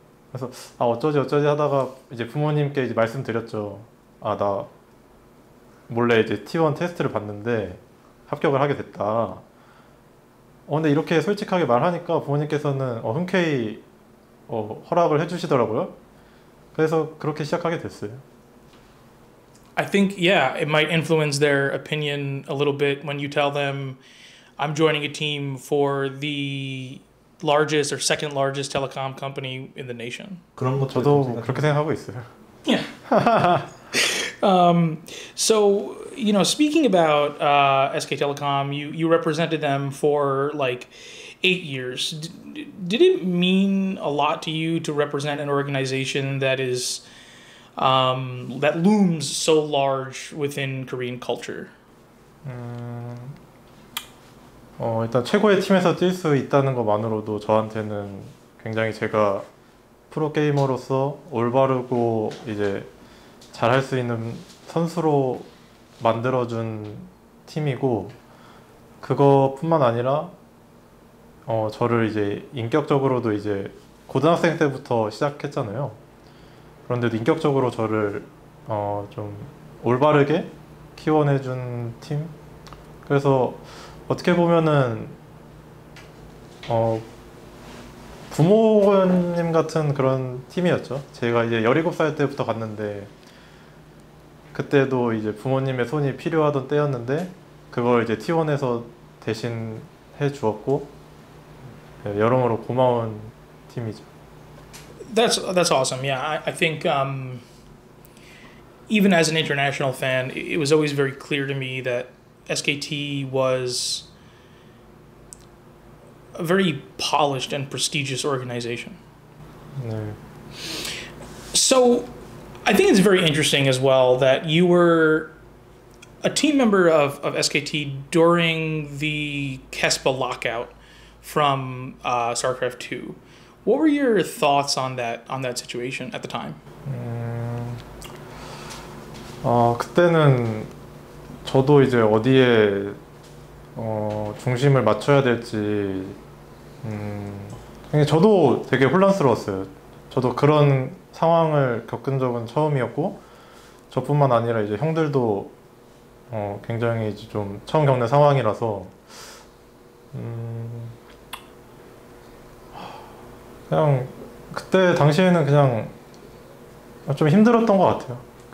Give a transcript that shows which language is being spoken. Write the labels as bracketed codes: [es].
[ko] 그래서 어쩌지 하다가 이제 부모님께 이제 말씀드렸죠. 나 몰래 이제 T1 테스트를 봤는데 합격을 하게 됐다. 근데 이렇게 솔직하게 말하니까 부모님께서는 흔쾌히 허락을 해주시더라고요. 그래서 그렇게 시작하게 됐어요. [en] I think, yeah, it might influence their opinion a little bit when you tell them I'm joining a team for the largest or second largest telecom company in the nation. [ko] 그런 것 저도 그렇게 생각하고 있어요. [en] So, you know, speaking about SK Telecom, you represented them for like 8 years. Did it mean a lot to you to represent an organization that is that looms so large within Korean culture? [ko] 일단 최고의 팀에서 뛸 수 있다는 것만으로도 저한테는 굉장히 제가 프로 게이머로서 올바르고 이제 잘할 수 있는 선수로 만들어준 팀이고, 그것뿐만 아니라 저를 이제 인격적으로도 이제 고등학생 때부터 시작했잖아요. 그런데도 인격적으로 저를 좀 올바르게 키워내준 팀. 그래서 어떻게 보면은 부모님 같은 그런 팀이었죠. 제가 이제 17살 때부터 갔는데, 그때도 이제 부모님의 손이 필요하던 때였는데, 그걸 이제 T1에서 대신 해주었고, 네, 여러모로 고마운 팀이죠. [en] That's awesome. Yeah, I think even as an international fan, it was always very clear to me that SKT was a very polished and prestigious organization. No. So I think it's very interesting as well that you were a team member of SKT during the KESPA lockout from StarCraft 2. What were your thoughts on that situation at the time? [ko] 그때는 저도 이제 어디에 중심을 맞춰야 될지 근데 저도 되게 혼란스러웠어요. 저도 그런 상황을 겪은 적은 처음이었고, 저뿐만 아니라 이제 형들도 굉장히 이제 좀 처음 겪는 상황이라서 그냥 그때 당시에는 그냥 좀 힘들었던 것 같아요.